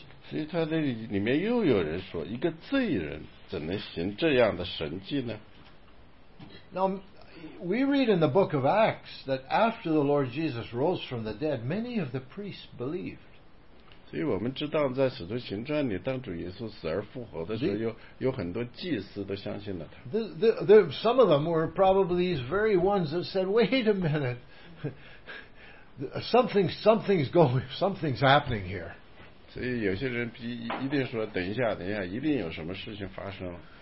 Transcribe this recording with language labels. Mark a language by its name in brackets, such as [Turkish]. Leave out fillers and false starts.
[Chinese] 所以他这里面又有人说，一个罪人怎能行这样的神迹呢？ [English] Now, we read in the book of Acts that after the Lord Jesus rose from the dead, many of the priests believed. [Chinese] 所以我们知道在使徒行传里当主耶稣死而复活的时候 有很多祭司都相信了他 [English] Some of them were probably these very ones that said wait a minute something's happening here [Chinese] 所以有些人一定说等一下一定有什么事情发生了